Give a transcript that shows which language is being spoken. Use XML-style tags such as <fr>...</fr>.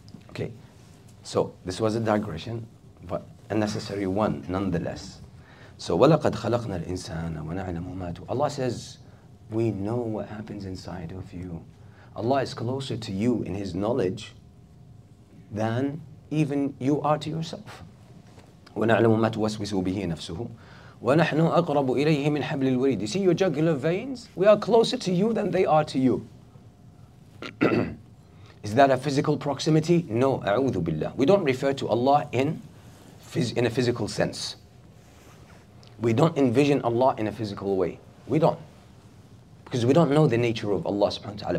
<en>Okay, so this was a digression, but a necessary one nonetheless. So,</en> <ar>وَلَقَدْ خَلَقْنَا الْإِنسَانَ وَنَعْلَمُ مَا تُ</ar> <en>Allah says, we know what happens inside of you. Allah is closer to you in His knowledge than even you are to yourself.</en> <ar>وَنَعْلَمُ مَا تُوَسْوِسُ بِهِ نَفْسُهُ وَنَحْنُ أَقْرَبُ إِلَيْهِ مِنْ حَبْلِ الْوَرِيدِ</ar> <en>You see your jugular veins? We are closer to you than they are to you. Is that a physical proximity? No,</en> <ar>أَعُوذُ بِاللَّهِ</ar> <en>We don't refer to Allah in a physical sense. We don't envision Allah in a physical way. We don't. Because we don't know the nature of Allah subhanahu wa ta'ala.</en>